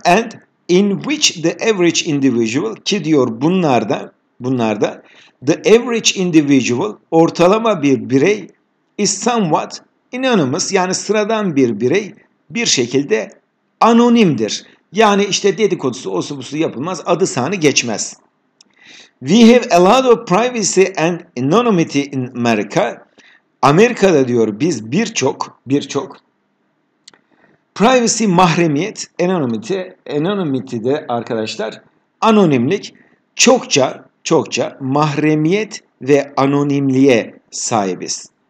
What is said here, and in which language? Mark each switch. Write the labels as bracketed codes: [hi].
[en] And in which the average individual, [tr] ki diyor bunlarda [en] the average individual, [tr] ortalama bir birey, [en] is somewhat anonymous, [tr] yani sıradan bir birey bir şekilde anonimdir. Yani işte dedikodusu osubusu yapılmaz, adı sahanı geçmez. [en] We have a lot of privacy and anonymity in America. [tr] Amerika'da diyor biz birçok privacy, mahremiyet, anonymity de arkadaşlar anonimlik, çokça mahremiyet ve anonimliğe sahibiz.